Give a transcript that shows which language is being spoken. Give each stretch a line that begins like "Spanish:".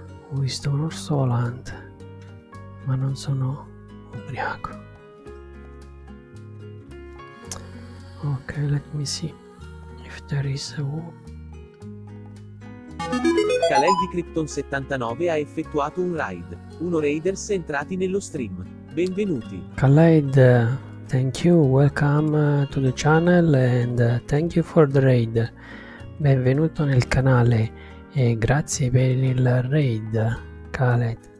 Italian: Ho visto un orso volante, ma non sono ubriaco.
English: Okay, let me see if there is a war.
Italian: Kaleng di Krypton 79 ha effettuato un raid. Uno raiders è entrati nello stream. Benvenuti.
English: Kaleng, thank you. Welcome to the channel and thank you for the raid.
Italian: Benvenuto nel canale e grazie per il raid, Kaleng.